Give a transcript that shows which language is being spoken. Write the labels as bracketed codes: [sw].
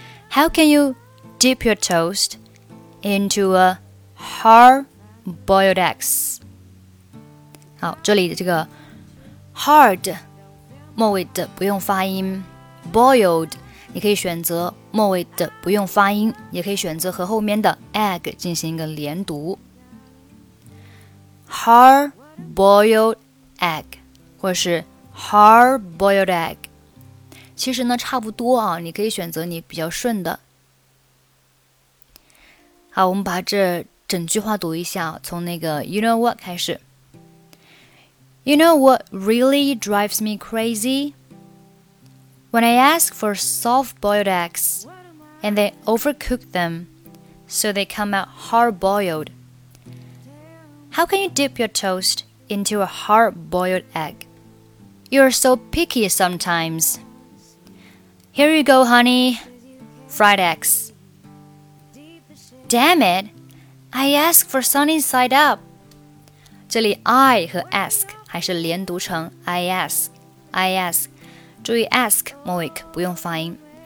[en] How can you dip your toast into a hard-boiled eggs? [zh] 好，这里的这个 hard 末尾的不用发音 ，boiled 你可以选择。末尾的不用发音，也可以选择和后面的 egg 进行一个连读。 [en] Hard boiled egg, 或是 hard boiled egg. [zh] 其实呢差不多啊，你可以选择你比较顺的。好，我们把这整句话读一下，从那个 [en] you know what [zh] 开始。 [en] You know what really drives me crazy? When I ask for soft-boiled eggs, and they overcook them, so they come out hard-boiled. How can you dip your toast into a hard-boiled egg? You're so picky sometimes. Here you go, honey. Fried eggs. Damn it! I ask for sunny side up. [zh] 这里 I 和 ask 还是连读成 [en] I ask. [zh] 注意 ask, 末尾不用发音。